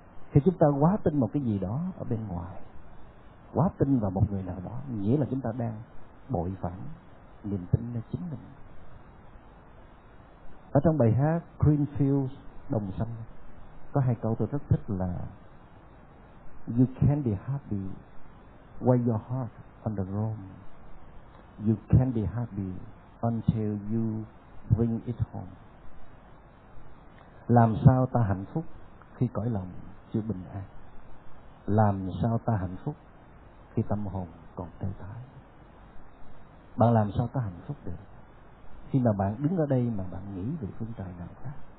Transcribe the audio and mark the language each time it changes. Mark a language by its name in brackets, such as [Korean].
[Vietnamese] Khi chúng ta quá tin một cái gì đó ở bên ngoài, quá tin vào một người nào đó, nghĩa là chúng ta đang bội phản niềm tin nơi chính mình. Ở trong bài hát Greenfields Đồng Xanh có hai câu tôi rất thích là [English] You can be happy while your heart on the roam. You can be happy until you bring it home. [Vietnamese] Làm sao ta hạnh phúc khi cõi lòng chưa bình an? Làm sao ta hạnh phúc khi tâm hồn còn tê tái? Bạn làm sao ta hạnh phúc được khi mà bạn đứng ở đây mà bạn nghĩ về phương trời nào khác?